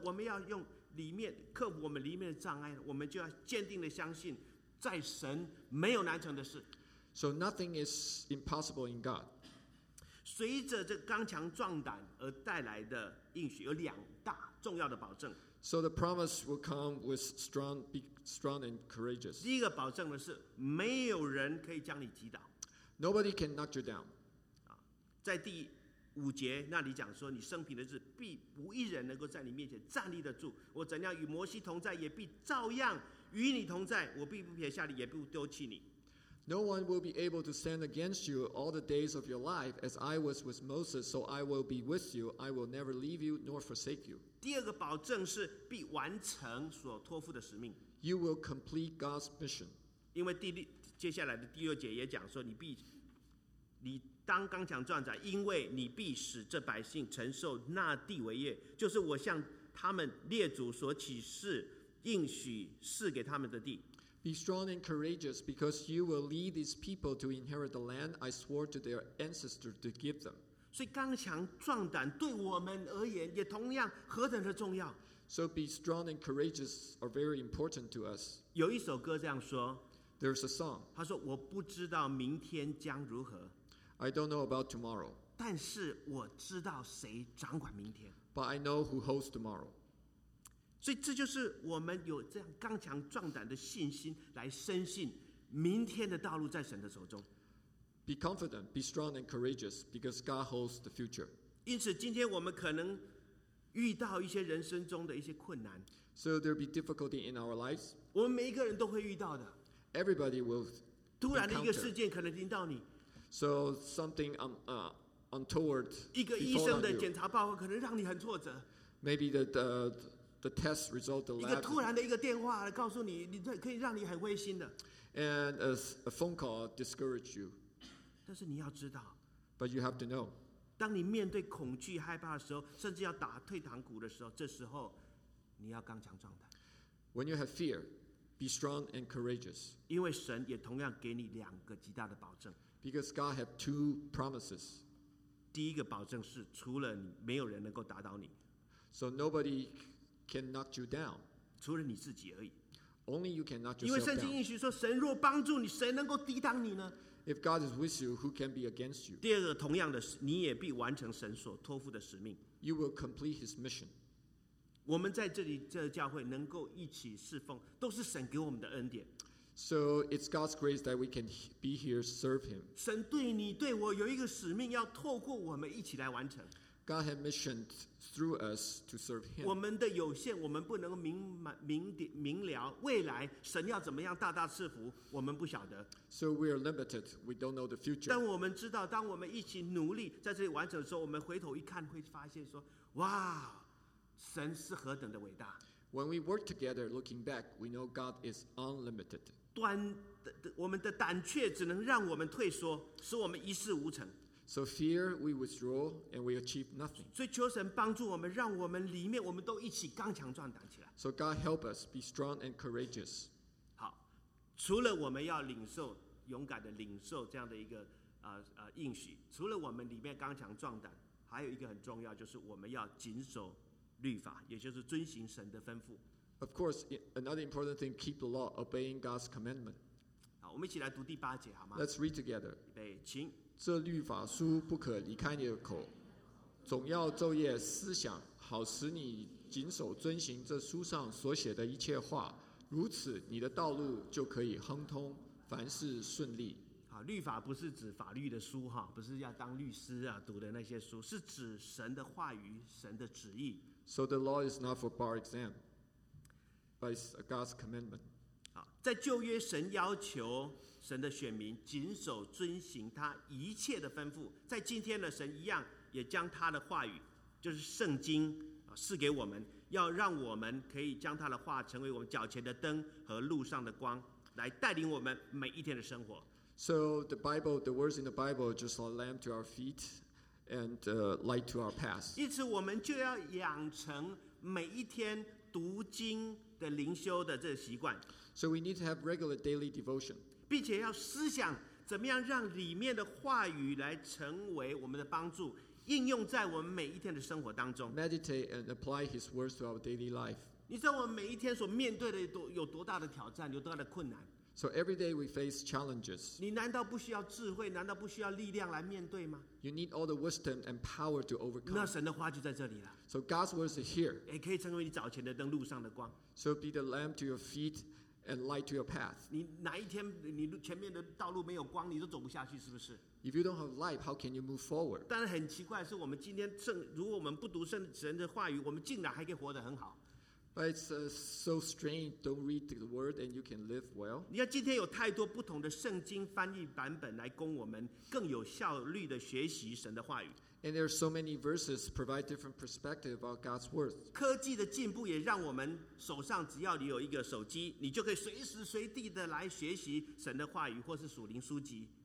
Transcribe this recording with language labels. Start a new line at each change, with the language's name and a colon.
Chinese: 我们要用里面克服我们里面的障碍，我们就要坚定的相信。在神没有难成的事。
English: So nothing is impossible in God.
Chinese: 随着这刚强壮胆而带来的应许有两大重要的保证。
English: So the promise will come with strong, be strong and courageous.
Chinese: 第一个保证的是没有人可以将你击倒。
English: Nobody can knock you down.
Chinese: 在第五节那里讲说你生平的日必无一人能够在你面前站立得住。我怎样与摩西同在也必照样与你同在，我必不撇下你，也不丢弃你。
English: No one will be able to stand against you all the days of your life, as I was with Moses, so I will be with you. I will never leave you nor forsake you.
Chinese: 第二个保证是必完成所托付的使命。
English: You will complete God's mission.
Chinese: 因为接下来的第二节也讲说，你当刚强壮胆，因为你必使这百姓承受那地为业，就是我向他们列祖所起誓。应许赐给他们的地。
English: Be strong and courageous, because you will lead these people to inherit the land I swore to their ancestors to give them.
Chinese: 所以刚强壮胆对我们而言也同样何等的重要。
English: So be strong and courageous are very important to us.
Chinese: 有一首歌这样说。
English: There's a song.
Chinese: 他说我不知道明天将如何。
English: I don't know about tomorrow.
Chinese: 但是我知道谁掌管明天。
English: But I know who holds tomorrow.
Chinese: 所以这就是我们有这样刚强壮胆的信心来深信明天的道路在神的手中。
English: Be confident, be strong and courageous, because God holds the future.
Chinese: 因此今天我们可能遇到一些人生中的一些困难。
English: So there'll be difficulty in our lives.
Chinese: 我们每一个人都会遇到的。
English: Everybody will encounter.
Chinese: 突然的一个事件可能临到你。
English: So something untoward.
Chinese: 一个医生的检查报告可能让你很挫折。
English: Maybe the test result, the lab.
Chinese: 一个突然的一个电话告诉你，你可以让你很灰心的。
English: And a phone call discourage you.
Chinese: 但是你要知道。
English: But you have to know.
Chinese: 当你面对恐惧害怕的时候，甚至要打退堂鼓的时候，这时候你要刚强壮胆。
English: When you have fear, be strong and courageous.
Chinese: 因为神也同样给你两个极大的保证。
English: Because God has two promises.
Chinese: 第一个保证是除了你，没有人能够打倒你。
English: So nobody can knock you down.
Chinese: 除了你自己而已。
English: Only you can knock yourself down.
Chinese: 因为圣经应许说，神若帮助你，谁能够抵挡你呢？
English: If God is with you, who can be against you?
Chinese: 第二个同样的，你也必完成神所托付的使命。
English: You will complete His mission.
Chinese: 我们在这里这教会能够一起侍奉，都是神给我们的恩典。
English: So it's God's grace that we can be here serve Him.
Chinese: 神对你对我有一个使命，要透过我们一起来完成。
English: God has missioned through us to serve Him.
Chinese: 我们的有限，我们不能明了未来神要怎么样大大赐福，我们不晓得。
English: So we are limited. We don't know the future.
Chinese: 但我们知道，当我们一起努力在这里完成的时候，我们回头一看，会发现说，哇，神是何等的伟大。
English: When we work together, looking back, we know God is unlimited.
Chinese: 我们的胆怯只能让我们退缩，使我们一事无成。
English: So fear, we withdraw, and we achieve nothing.
Chinese: 所以求神帮助我们，让我们里面我们都一起刚强壮胆起来。
English: So God help us be strong and courageous.
Chinese: 好，除了我们要领受勇敢的领受这样的一个应许，除了我们里面刚强壮胆，还有一个很重要，就是我们要谨守律法，也就是遵行神的吩咐。
English: Of course, another important thing: keep the law, obeying God's commandment.
Chinese: 好，我们一起来读第八节好吗
English: ？Let's read together.
Chinese: 预备，请。这律法书不可离开你的口，总要昼夜思想，好使你谨守遵行这书上所写的一切话，如此你的道路就可以亨通，凡事顺利。好，律法不是指法律的书，不是要当律师啊读的那些书，是指神的话语，神的旨意。
English: So the law is not for bar exam, but it's God's commandment.
Chinese: 好，在旧约神要求神的选民谨守遵行他一切的吩咐，在今天的神一样也将他的话语，就是圣经赐给我们，要让我们可以将他的话成为我们脚前的灯和路上的光，来带领我们每一天的生活。
English: So the Bible, the words in the Bible just a lamp to our feet and light to our path.
Chinese: 因此我们就要养成每一天读经的灵修的这个习惯。
English: So we need to have regular daily devotion.
Chinese: 并且要思想怎么样让里面的话语来成为我们的帮助，应用在我们每一天的生活当中。
English: Meditate and apply His words to our daily life.
Chinese: 你知道我们每一天所面对的有多大的挑战，有多大的困难
English: ？So every day we face challenges.
Chinese: 你难道不需要智慧？难道不需要力量来面对吗
English: ？You need all the wisdom and power to overcome.
Chinese: 那神的话就在这里了。
English: So God's words are here.
Chinese: 也可以成为你早前的灯，路上的光。
English: So be the lamp to your feet. And light to your path.
Chinese: 你哪一天你前面的道路没有光，你都走不下去，是不是
English: ？If you don't have light, how can you move forward?
Chinese: 但很奇怪，是我们今天如果我们不读神的话语，我们竟然还可以活得很好。
English: But it's so strange. Don't read the word, and you can live well.
Chinese: 你看，今天有太多不同的圣经翻译版本来供我们更有效率的学习神的话语。
English: And there are so many verses provide different perspective about God's word.
Chinese: 科技的进步也让我们手上只要你有一个手机，你就可以随时随地的来学习神的话语或是属灵书籍。